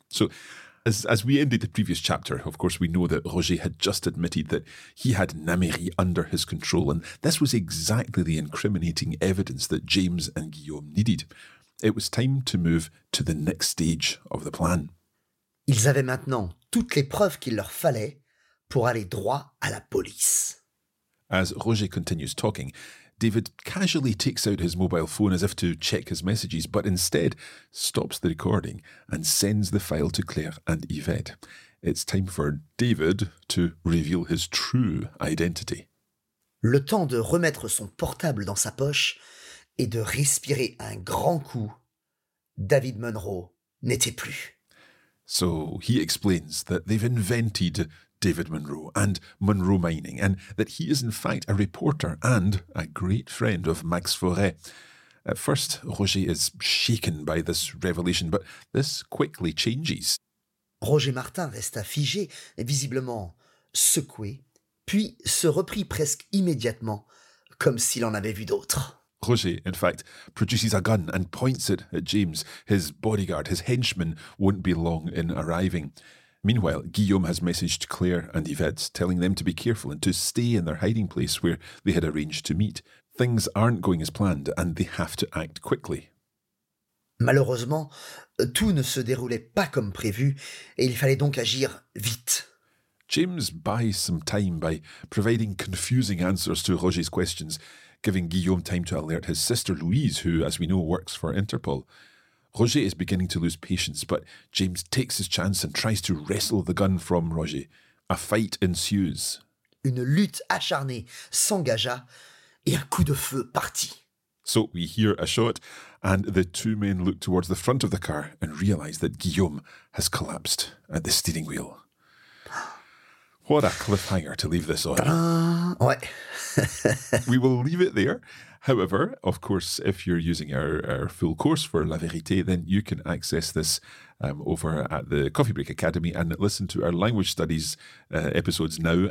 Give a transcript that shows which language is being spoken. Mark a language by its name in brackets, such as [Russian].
[English] So, as we ended the previous chapter, of course, we know that Roger had just admitted that he had Namery under his control, and this was exactly the incriminating evidence that James and Guillaume needed. It was time to move to the next stage of the plan. [French] Ils avaient maintenant toutes les preuves qu'il leur fallait pour aller droit à la police. [English] As Roger continues talking, David casually takes out his mobile phone as if to check his messages, but instead stops the recording and sends the file to Claire and Yvette. It's time for David to reveal his true identity. [French] Le temps de remettre son portable dans sa poche et de respirer un grand coup, David Munro n'était plus. [English] So he explains that they've invented David Munro and Munro Mining, and that he is in fact a reporter and a great friend of Max Forêt. At first, Roger is shaken by this revelation, but this quickly changes. [French] Roger Martin resta figé, visiblement secoué, puis se reprit presque immédiatement, comme s'il en avait vu d'autres. [English] Roger, in fact, produces a gun and points it at James. His bodyguard, his henchman, won't be long in arriving. Meanwhile, Guillaume has messaged Claire and Yvette, telling them to be careful and to stay in their hiding place where they had arranged to meet. Things aren't going as planned and they have to act quickly. [French] Malheureusement, tout ne se déroulait pas comme prévu et il fallait donc agir vite. [English] James buys some time by providing confusing answers to Roger's questions, giving Guillaume time to alert his sister Louise, who, as we know, works for Interpol. Roger is beginning to lose patience, but James takes his chance and tries to wrestle the gun from Roger. A fight ensues. [French] Une lutte acharnée s'engagea et un coup de feu partit. [English] So we hear a shot, and the two men look towards the front of the car and realise that Guillaume has collapsed at the steering wheel. What a cliffhanger to leave this on. [French] Ouais. [English] We will leave it there. However, of course, if you're using our full course for La Vérité, then you can access this over at the Coffee Break Academy and listen to our language studies episodes now.